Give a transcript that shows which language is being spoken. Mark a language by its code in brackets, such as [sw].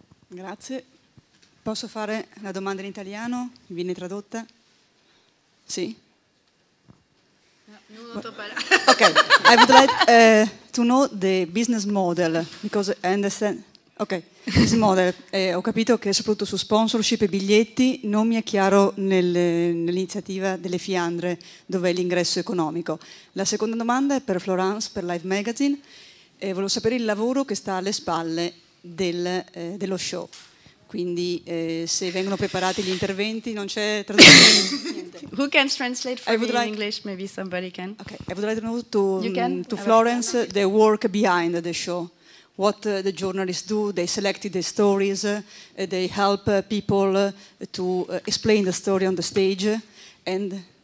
[it] Grazie. Posso fare la domanda in italiano? Viene tradotta? Sì. Okay. [en] I would like to know the business model because I understand. Okay. Business model. [it] Ho capito che è soprattutto su sponsorship e biglietti. Non mi è chiaro nell'iniziativa delle Fiandre dov'è l'ingresso economico. La seconda domanda è per Florence, per Live Magazine. Volevo sapere il lavoro che sta alle spalle dello show. Quindi se vengono preparati gli interventi non c'è traduzione. [en] Who can translate for me in English? Maybe somebody can. Okay, I would like to know to Florence the work behind the show. What the journalists do, they selected the stories, they help people to explain the story on the stage. And